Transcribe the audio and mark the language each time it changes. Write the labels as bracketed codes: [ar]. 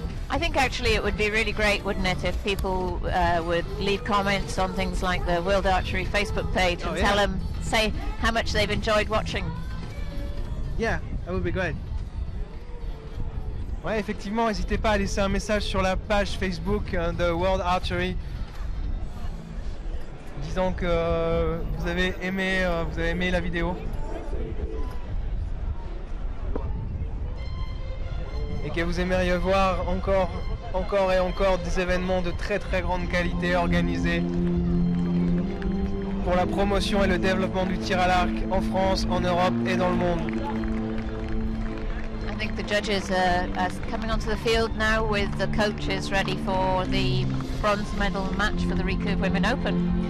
[en] I think actually it would be really great, wouldn't it, if people would leave comments on things like the World Archery Facebook page and tell them, say how much they've enjoyed watching. Yeah, that would be great. [fr] Ouais, effectivement, n'hésitez pas à laisser un message sur la page Facebook de World Archery, disant que vous avez aimé la vidéo. et que vous aimeriez voir encore, encore et encore des événements de très très grande qualité organisés pour la promotion et le développement du tir à l'arc en France, en Europe et dans le monde. [en] I think the judges are coming onto the field now with the coaches ready for the bronze medal match for the Recurve Women Open.